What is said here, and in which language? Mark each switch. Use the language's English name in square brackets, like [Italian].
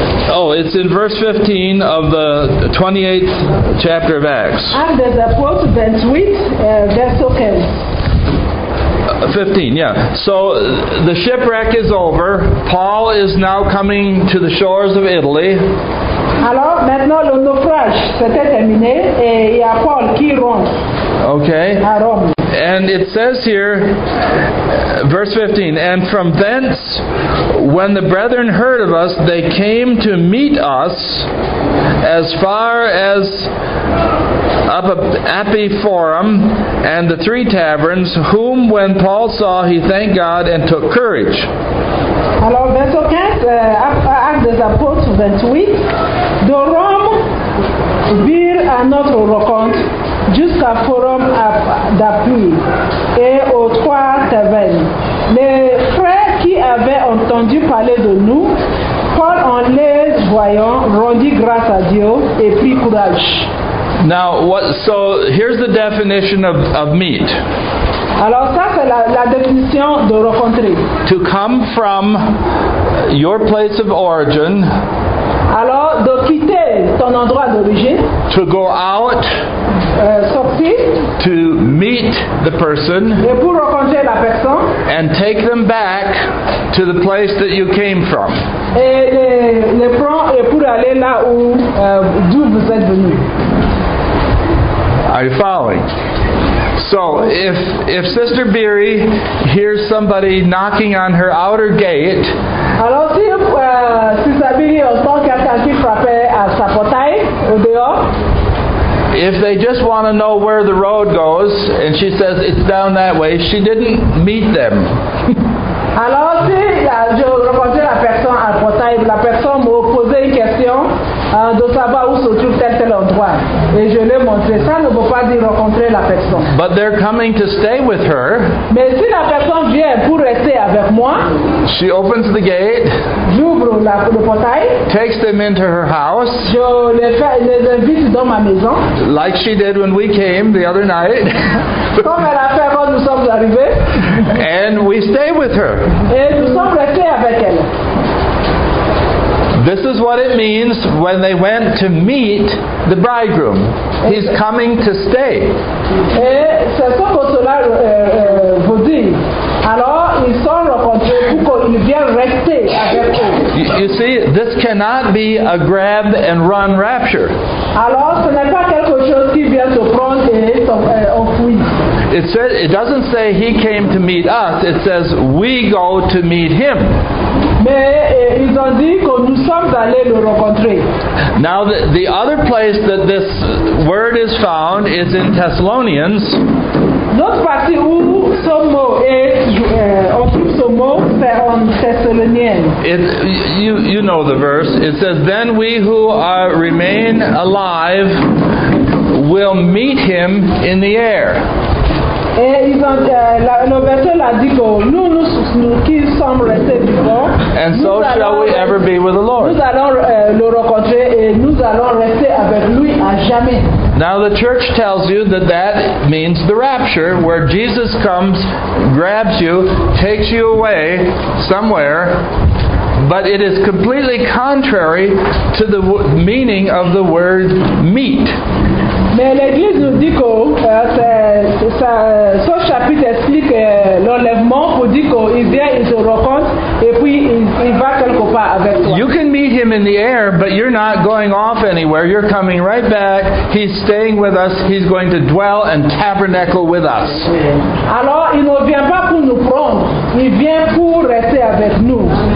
[English] Oh, it's in verse 15 of the 28th chapter of Acts. Acts chapter 28, verse 15. 15, yeah. So the shipwreck is over. Paul is now coming to the shores of Italy. [French] Alors, maintenant le naufrage s'était terminé et il y a Paul qui rentre. [English] Okay. [French] À Rome. [English] And it says here, verse 15, and from thence, when the brethren heard of us, they came to meet us as far as up Appii Forum and the three taverns, whom when Paul saw, he thanked God and took courage. [French] Alors, verset 15, Actes des Apôtres 28, de Rome virent à notre rencontre jusqu'à Forum d'Appii et aux trois tavernes. Les frères qui avaient entendu parler de nous, Paul en les voyant, rendit grâce à Dieu et prit courage. [English] Now, so here's the definition of meet. [French] Alors ça c'est la définition de rencontrer. [English] To come from your place of origin. [French] Alors de quitter ton endroit d'origine. [English] To go out. [French] Sortir. [English] To meet the person. [French] Et pour rencontrer la personne. [English] And take them back to the place that you came from. [French] Et les prendre et pour aller là où d'où vous êtes venu. [English] Are you following? So if Sister Beery hears somebody knocking on her outer gate, [French] alors si Sister Beery entend quelqu'un qui frappe à sa portail au dehors, [English] if they just want to know where the road goes and she says it's down that way, she didn't meet them. [French] Alors si je rencontre la personne à portail, la personne me pose une question de savoir où se trouve tel endroit. Et je l'ai montré. Ça ne veut pas dire rencontrer la personne. [English] But they're coming to stay with her. [French] Mais si la personne vient pour rester avec moi, [English] she opens the gate. [French] J'ouvre [English] takes them into her house, [French] je les fais, les invite dans ma maison, [English] like she did when we came the other night. [French] Comme elle a fait avant nous sommes arrivés. [English] And we stay with her. [French] Et nous sommes restés avec elle. [English] This is what it means when they went to meet the bridegroom. He's coming to stay. [French] Et c'est ce que cela vous dit. Alors, ils sont rencontrés pour qu'il vienne rester avec eux. [English] You see, this cannot be a grab and run rapture. [French] Alors, ce n'est pas quelque chose qui vient se prendre et s'enfuit. [English] It doesn't say he came to meet us, it says we go to meet him. [French] Mais ils ont dit que nous sommes allés le rencontrer. [English] Now the other place that this word is found is in Thessalonians. [French] L'autre partie où ce mot est, on trouve ce mot, c'est en Thessalonien. [English] You know the verse. It says, then we who are remain alive will meet him in the air. [French] Et ils ont, le verset l'a dit que nous qui sommes restés vivants, [English] and so shall we ever be with the Lord. [French] Nous allons le rencontrer et nous allons rester avec lui à jamais. [English] Now the church tells you that means the rapture, where Jesus comes, grabs you, takes you away somewhere, but it is completely contrary to the meaning of the word meet. [French] Mais l'Église nous dit que ce chapitre explique l'enlèvement pour dire qu'il vient, il se rencontre et puis il va quelque part avec toi. [English] You can meet him in the air, but you're not going off anywhere. You're coming right back. He's staying with us. He's going to dwell and tabernacle with us. [French] Alors, il ne vient pas pour nous prendre. Il vient pour rester avec nous.